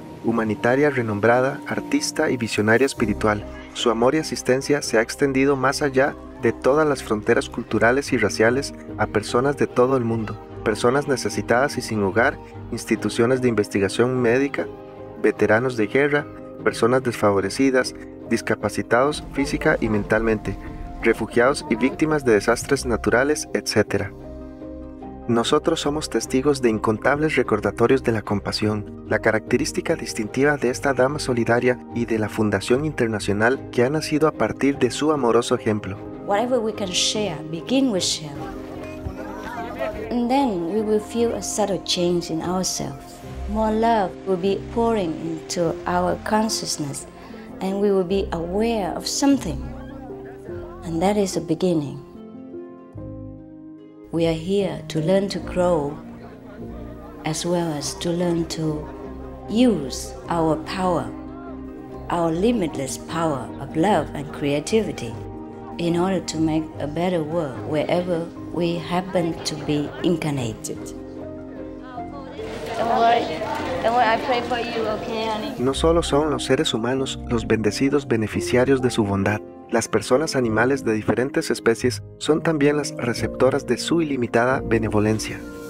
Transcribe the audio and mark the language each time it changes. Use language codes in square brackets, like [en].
[es] Humanitaria renombrada, artista y visionaria espiritual, su amor y asistencia se ha extendido más allá de todas las fronteras culturales y raciales a personas de todo el mundo, personas necesitadas y sin hogar, instituciones de investigación médica, veteranos de guerra, personas desfavorecidas, discapacitados física y mentalmente, refugiados y víctimas de desastres naturales, etc. Nosotros somos testigos de incontables recordatorios de la compasión, la característica distintiva de esta dama solidaria y de la Fundación Internacional que ha nacido a partir de su amoroso ejemplo. [en] Whatever we can share, begin with sharing. And then we will feel a subtle change in ourselves. More love will be pouring into our consciousness and we will be aware of something. And that is a beginning. We are here to learn to grow, as well as to learn to use our power, our limitless power of love and creativity, in order to make a better world wherever we happen to be incarnated. Don't worry. Don't worry, I pray for you, okay, honey? [es] No solo son los seres humanos los bendecidos beneficiarios de su bondad. Las personas animales de diferentes especies son también las receptoras de su ilimitada benevolencia.